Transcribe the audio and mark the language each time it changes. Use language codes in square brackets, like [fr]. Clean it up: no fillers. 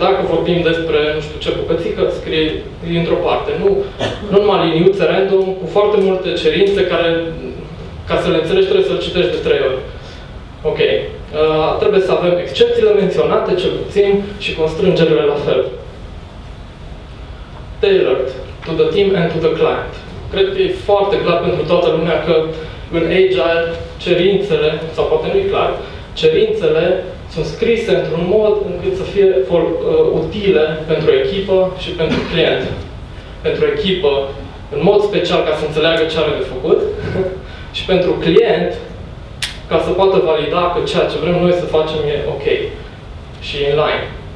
[ro] Dacă vorbim despre, nu știu ce bucățică, scrie dintr-o parte, nu numai liniuțe random cu foarte multe cerințe care, ca să le înțelegi, trebuie să le citești de 3 ori. Ok. Trebuie să avem excepțiile menționate, cel puțin, și constrângerile la fel. [en] Tailored to the team and to the client. [ro] Cred că e foarte clar pentru toată lumea că în Agile cerințele, sau poate nu e clar, cerințele sunt scrise într-un mod încât să fie utile pentru echipă și pentru client. Pentru echipă, în mod special, ca să înțeleagă ce are de făcut, și pentru client, ca să poată valida că ceea ce vrem noi să facem e ok și in line.